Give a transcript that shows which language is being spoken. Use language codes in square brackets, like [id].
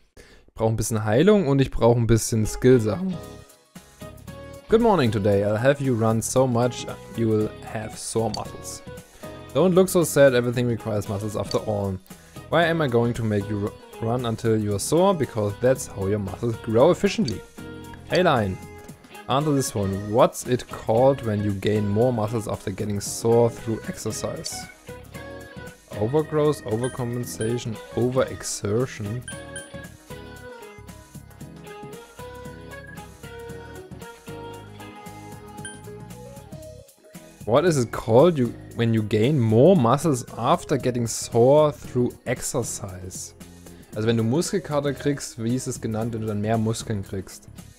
[de] Ich brauche ein bisschen Heilung und ich brauche ein bisschen Skill-Sachen. [en] Good morning today. I'll have you run so much you will have sore muscles. Don't look so sad. Everything requires muscles after all. Why am I going to make you run until you are sore? Because that's how your muscles grow efficiently. Hey, Line. Answer this one. What's it called when you gain more muscles after getting sore through exercise? Overgrowth, overcompensation, overexertion? What is it called when you gain more muscles after getting sore through exercise? [de] Also wenn du Muskelkater kriegst, wie ist es genannt, wenn du dann mehr Muskeln kriegst?